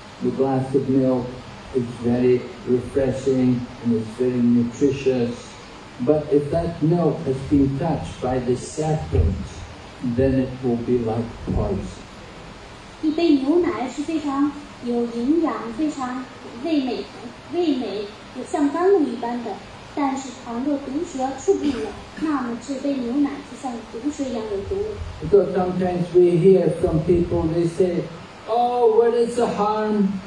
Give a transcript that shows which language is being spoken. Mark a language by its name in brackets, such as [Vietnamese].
[English] The glass of milk is very refreshing and it's very nutritious. But if that milk has been touched by the serpent, then it will be like poison. [Chinese] 有营养，非常味美，味美，有像甘露一般的。但是倘若毒蛇触碰了，那么这杯牛奶就像毒蛇一样有毒。So [English] sometimes we hear from people, they say, "Oh, what is the harm?